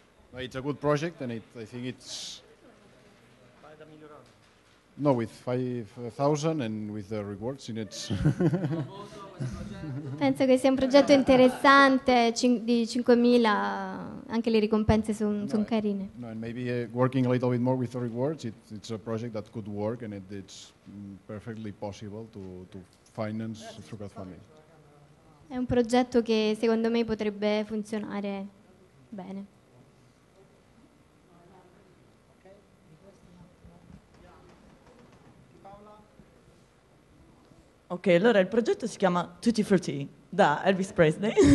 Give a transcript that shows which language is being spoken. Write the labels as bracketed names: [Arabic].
[English] No, it's a good project and I think it's... No, with 5,000 and with the rewards in it. [Italian] Penso che sia un progetto interessante, di 5,000, anche le ricompense son carine. [English] No, and maybe working a little bit more with the rewards, it's a project that could work and it's perfectly possible to finance through crowdfunding. [Italian] È un progetto che secondo me potrebbe funzionare bene. Ok, allora il progetto si chiama Tutti Frutti, da Elvis Presley.